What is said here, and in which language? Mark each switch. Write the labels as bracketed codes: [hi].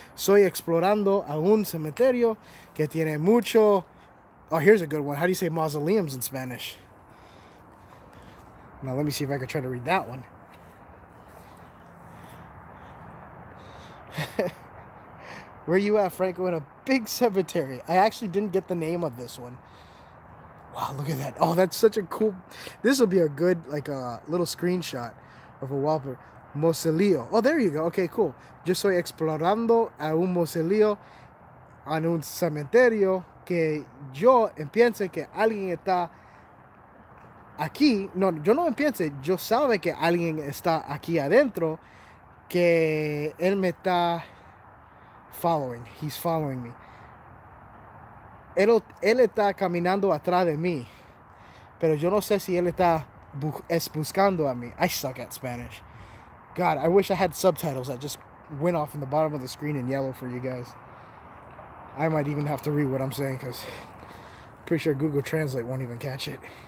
[es] Soy explorando a un cementerio que tiene mucho... [en] Oh, here's a good one. How do you say mausoleums in Spanish? Now, let me see if I can try to read that one. Where you at, Franco? In a big cemetery. I actually didn't get the name of this one. Wow, look at that. Oh, that's such a cool... This will be a good, like, little screenshot of a wallpaper. Mausoleo. Oh, there you go. Okay, cool. [es] Yo soy explorando a un mausoleo en un cementerio que yo empiece que alguien está... Aquí, no, yo no empiece, yo sabe que alguien está aquí adentro, que él me está [en] following, he's following me. [es] Él está caminando atrás de mí, pero yo no sé si él está buscando a mí. [en] I suck at Spanish. God, I wish I had subtitles that just went off in the bottom of the screen in yellow for you guys. I might even have to read what I'm saying, because I'm pretty sure Google Translate won't even catch it.